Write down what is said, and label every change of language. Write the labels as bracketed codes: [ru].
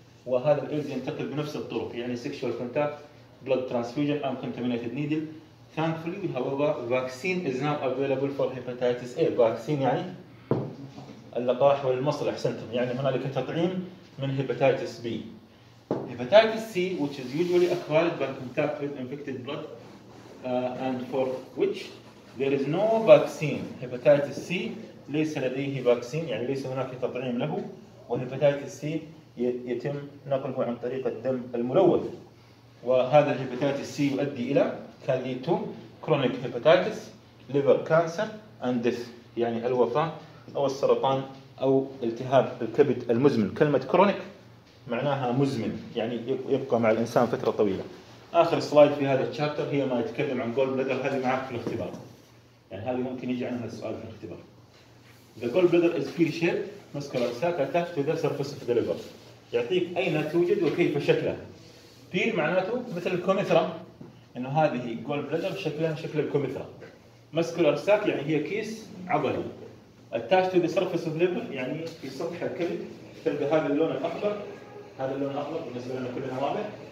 [ar] وهذا الإيدز ينتقل بنفس الطرق، يعني [en] sexual contact, blood transfusion and contaminated needle. Thankfully, however, vaccine is now available for hepatitis A. [ar] Vaccine يعني اللقاح والمصل أحسنتم، يعني هنالك تطعيم من hepatitis B. [en] Hepatitis C, which is usually acquired by contact with infected blood, and for which there is no vaccine. [ar] Hepatitis C ليس لديه vaccine، يعني ليس هناك تطعيم له. وhepatitis C يتم نقله عن طريق الدم الملوث. وهذا hepatitis C يؤدي إلى [en] can lead to chronic hepatitis, liver cancer and death، [ar] يعني الوفاة أو السرطان أو التهاب الكبد المزمن. كلمة chronic معناها مزمن، يعني يبقى مع الإنسان فترة طويلة. آخر سلايد في هذا الشابتر هي ما يتكلم عن gallbladder. هذه معك في الاختبار، يعني هذه ممكن يجي عنها السؤال في الاختبار. [en] The gallbladder is pear-shaped muscular sac attached to the surface of the liver. [ar] يعطيك أين توجد وكيف شكلها. pear معناته مثل الكوميثرا، إنه هذه جول بلدر شكلها شكل الكوميثرا. مسكولار ساك يعني هي كيس عضلي. [en] التاش تو ذا سيرفيس اوف ليفر [ar] يعني في سطح الكبد. تلقى هذا اللون الاخضر، هذا اللون الاخضر بالنسبه لنا كلنا واضح.